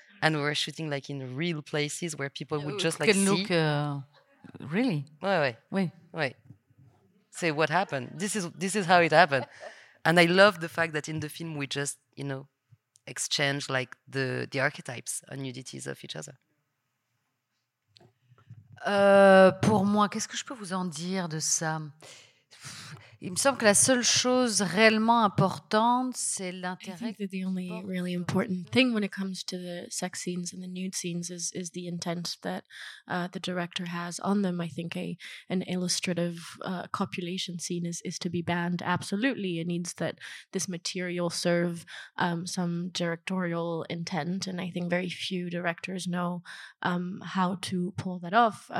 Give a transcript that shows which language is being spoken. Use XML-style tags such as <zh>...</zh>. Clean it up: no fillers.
<en>And we were shooting like in real places where people would just like can see. Look, really? Wait. Say what happened. This is how it happened. And I love the fact that in the film we just, you know, exchange like the archetypes and nudities of each other.</en> <fr>Pour moi, qu'est-ce que je peux vous en dire de ça? Il me semble que la seule chose réellement importante, c'est l'intérêt.</fr> <en>I think that the only really important thing when it comes to the sex scenes and the nude scenes is the intent that the director has on them. I think an illustrative copulation scene is to be banned absolutely. It needs that this material serve some directorial intent, and I think very few directors know how to pull that off.</en>